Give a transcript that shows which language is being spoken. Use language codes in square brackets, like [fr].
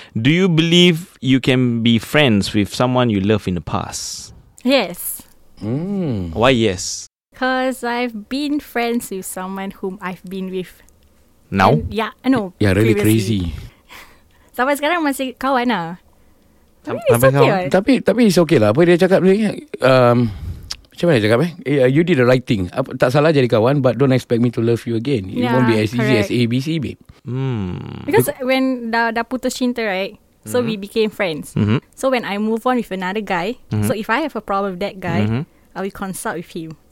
[en] Do you believe you can be friends with someone you love in the past? Yes. Why yes? Because I've been friends with someone whom I've been with. Now? And, yeah, I know. Yeah, really previously. Crazy. [ms] Sampai sekarang masih kawan lah. Tapi [en] it's okay. [ms] Tapi [en] it's okay [ms] lah. Apa dia cakap ni? Macam mana cakap [en] you did the right thing. [ms] Tak salah jadi kawan, [en] but don't expect me to love you again. It won't be as easy as ABC, babe. Because when [ms] dah putus cinta, [en] right? So we became friends. So when I move on with another guy, so if I have a problem with that guy, I will consult with him.